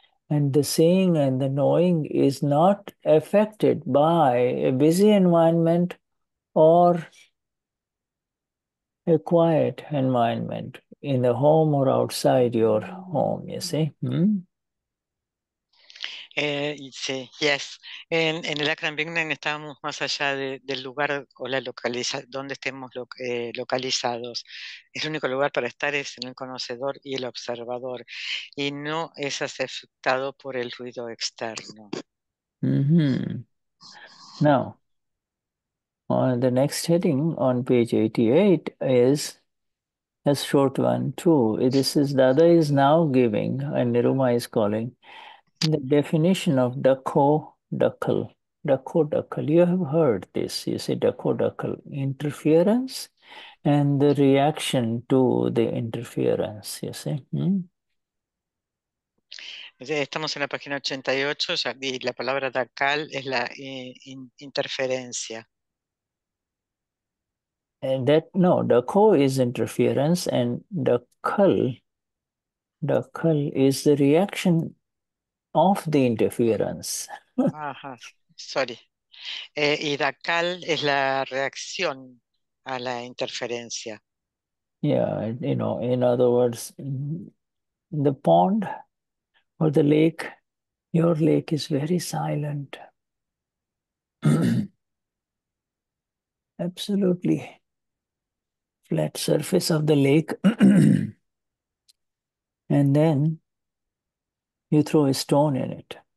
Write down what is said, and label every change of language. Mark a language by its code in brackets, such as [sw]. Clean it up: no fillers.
[en] And the seeing and the knowing is not affected by a busy environment or a quiet environment in the home or outside your home, you see. [es] Sí, yes. En el Akram Vignan estamos más allá del lugar o la localización donde estemos localizados. El único lugar para estar es en el conocedor y el observador, y no es afectado por el ruido externo. [en] Now, on the next heading on page 88 is a short one too. This is Dada is now giving, and Niruma is calling, the definition of dakko dakkal. Dakko dakkal. You have heard this. You say dakko dakkal, interference and the reaction to the interference, you see. [es] Estamos en la página 88 y la palabra dacal es la interferencia. [en] And that, no, dakko is interference and dakkal is the reaction of the interference. Ajá, sorry. [es] Y dacal es la reacción a la interferencia. [en] In other words, the pond or the lake, your lake is very silent. Absolutely. Flat surface of the lake, and then you throw a stone in it.